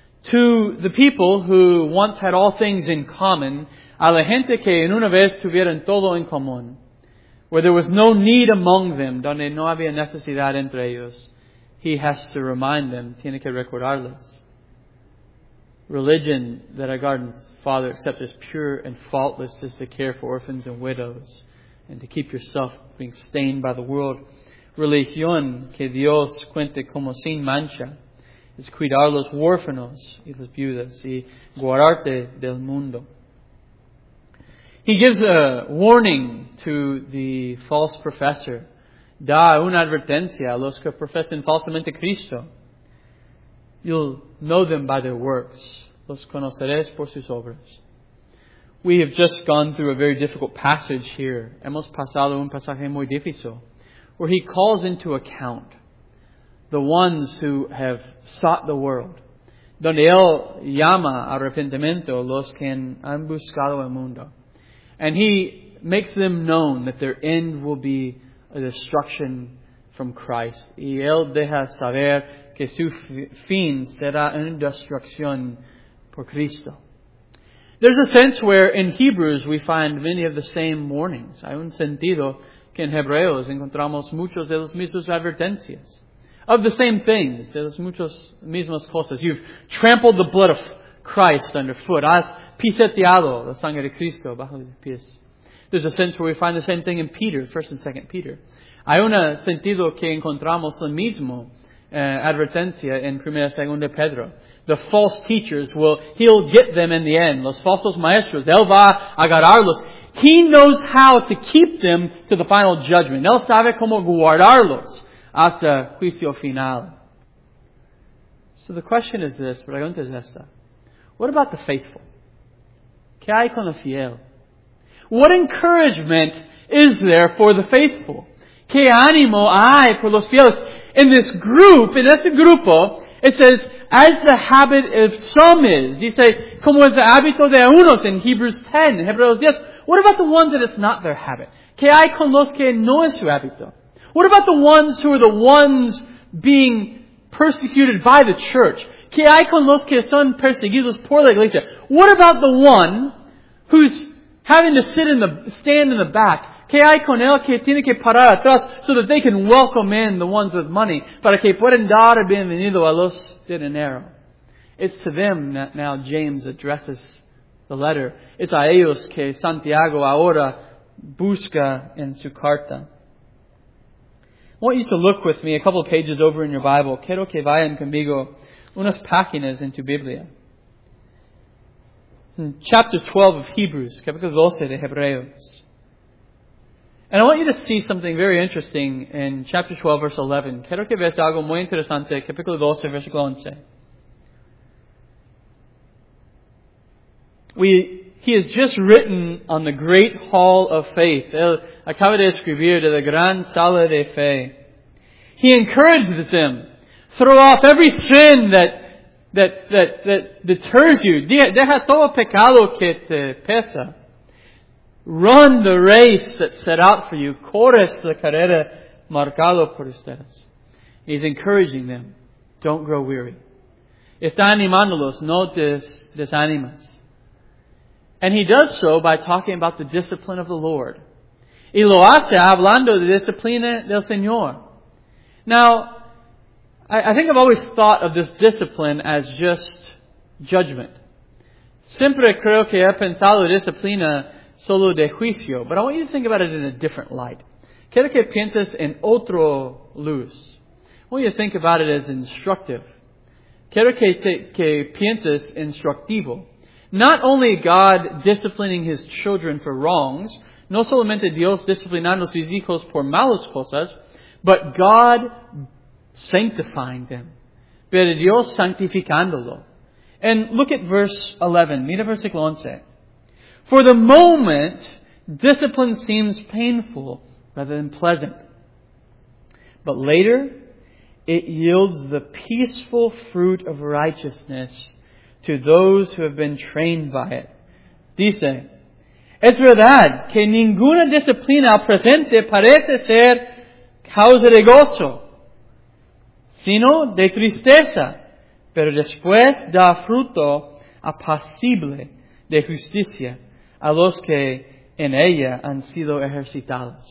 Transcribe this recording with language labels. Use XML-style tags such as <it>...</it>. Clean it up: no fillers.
<en>To the people who once had all things in common,</en> <es>a la gente que en una vez tuvieron todo en común,</es> <en>where there was no need among them,</en> <es>donde no había necesidad entre ellos,</es> <en>he has to remind them,</en> <es>tiene que recordarles.</es> <en>Religion that our God's Father accepts as pure and faultless is to care for orphans and widows, and to keep yourself being stained by the world.</en> <es>Religión que Dios cuente como sin mancha es cuidar los huérfanos y las viudas y guardarte del mundo.</es> <en>He gives a warning to the false professor.</en> <es>Da una advertencia a los que profesan falsamente Cristo.</es> <en>You'll know them by their works.</en> <es>Los conoceréis por sus obras.</es> <en>We have just gone through a very difficult passage here.</en> <es>Hemos pasado un pasaje muy difícil,</es> <en>where he calls into account the ones who have sought the world.</en> <es>Donde él llama arrepentimiento los que han buscado el mundo.</es> <en>And he makes them known that their end will be a destruction from Christ.</en> <es>Y él deja saber que su fin será una destrucción por Cristo.</es> <en>There's a sense where in Hebrews we find many of the same warnings.</en> <es>Hay un sentido que en Hebreos encontramos muchos de los mismos advertencias.</es> <en>Of the same things,</en> <es>de las muchas mismas cosas.</es> <en>You've trampled the blood of Christ underfoot.</en> <es>Has pisoteado la sangre de Cristo bajo los pies.</es> <en>There's a sense where we find the same thing in Peter, 1 and 2 Peter.</en> <es>Hay un sentido que encontramos la misma advertencia en 1 y 2 Pedro.</es> <en>The false teachers he'll get them in the end.</en> <es>Los falsos maestros, él va a agarrarlos.</es> <en>He knows how to keep them to the final judgment.</en> <es>Él sabe cómo guardarlos hasta juicio final.</es> <en>So the question is this,</en> <es>pregunta es esta.</es> <en>What about the faithful?</en> <es>¿Qué hay con el fiel?</es> <en>What encouragement is there for the faithful?</en> <es>¿Qué ánimo hay por los fieles?</es> <en>In this group,</en> <es>in este grupo,</es> <en>it says, as the habit of some is.</en> <es>Dice, como es el hábito de unos</es> <en>in Hebrews 10,</en> <es>in Hebreos 10.</es> <en>What about the ones that it's not their habit?</en> <es>¿Qué hay con los que no es su hábito?</es> <en>What about the ones who are the ones being persecuted by the church?</en> <es>¿Qué hay con los que son perseguidos por la iglesia?</es> <en>What about the one who's having to stand in the back?</en> <es>¿Qué hay con él que tiene que parar atrás</es> <en>so that they can welcome in the ones with money</en> <es>para que puedan dar bienvenido a los de dinero?</es> <en>It's to them that now James addresses the letter. It's</en> <es>a ellos que Santiago ahora busca en su carta.</es> <en>I want you to look with me a couple of pages over in your Bible.</en> <es>Quiero que vayan conmigo unas páginas en tu Biblia.</es> <en>In chapter 12 of Hebrews,</en> <es>capítulo 12 de Hebreos.</es> <en>And I want you to see something very interesting in chapter 12, verse 11.</en> <es>Quiero que veas algo muy interesante, capítulo 12, versículo 11.</es> <en>He has just written on the great hall of faith.</en> <es>Él acaba de escribir de la gran sala de fe.</es> <en>He encourages them, throw off every sin that deters you.</en> <es>Deja todo pecado que te pesa.</es> <en>Run the race that's set out for you.</en> <es>Corres la carrera marcado por ustedes.</es> <en>He's encouraging them. Don't grow weary.</en> <es>Está animándolos. No desanimas.</es> <en>And he does so by talking about the discipline of the Lord.</en> <es>Y lo hace hablando de disciplina del Señor.</es> <en>Now, I think I've always thought of this discipline as just judgment.</en> <es>Siempre creo que he pensado disciplina solo de juicio.</es> <en>But I want you to think about it in a different light.</en> <es>Quiero que pienses en otro luz.</es> <en>I want you to think about it as instructive.</en> <es>Quiero que pienses instructivo.</es> <en>Not only God disciplining His children for wrongs,</en> <es>no solamente Dios disciplinando sus hijos por malas cosas,</es> <en>but God sanctifying them.</en> <es>Pero Dios santificándolo.</es> <en>And look at verse 11.</en> <es>Mira versículo 11.</es> <en>For the moment, discipline seems painful rather than pleasant. But later, it yields the peaceful fruit of righteousness to those who have been trained by it.</en> <es>Dice, es verdad que ninguna disciplina presente parece ser causa de gozo, sino de tristeza, pero después da fruto apacible de justicia a los que en ella han sido ejercitados.</es>